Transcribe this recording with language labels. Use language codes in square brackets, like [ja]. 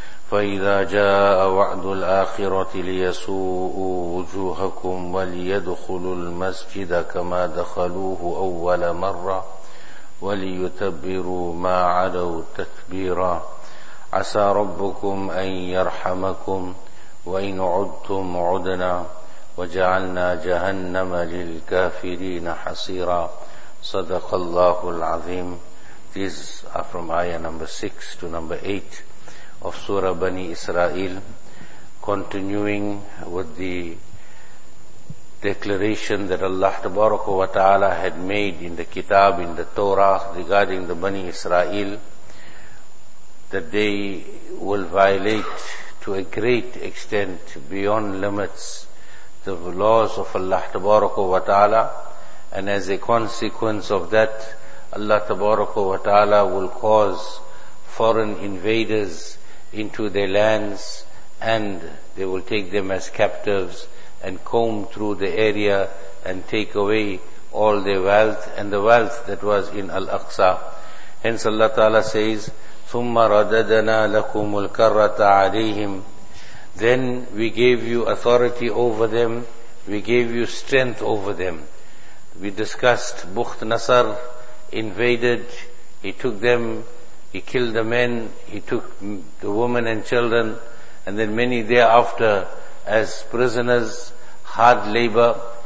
[ar] فإذا جاء وعد الآخرة ليسوءوا وجوهكم وليدخلوا المسجد كما دخلوه أول مرة وليتبروا ما علوا تتبيرا. عسى ربكم أن يرحمكم وإن عدتم عدنا وجعلنا جهنم للكافرين حصيرا. صدق الله العظيم. [en] This are from ayah number 6 to number 8 of Surah Bani Israel, continuing with the declaration that Allah tabaraka wa ta'ala had made in the Kitab, in the Torah, regarding the Bani Israel, that they will violate to a great extent, beyond limits, the laws of Allah tabaraka wa ta'ala, and as a consequence of that, Allah tabaraka wa ta'ala will cause foreign invaders into their lands, and they will take them as captives and comb through the area and take away all their wealth and the wealth that was in Al-Aqsa. Hence Allah Ta'ala says, [ar] ثُمَّ رَدَدَنَا لَكُمُ الْكَرَّةَ عَلَيْهِمْ. [en] Then we gave you authority over them, we gave you strength over them. We discussed Bukht Nasr invaded, he took them, he killed the men, he took the women and children, and then many thereafter as prisoners, hard labor.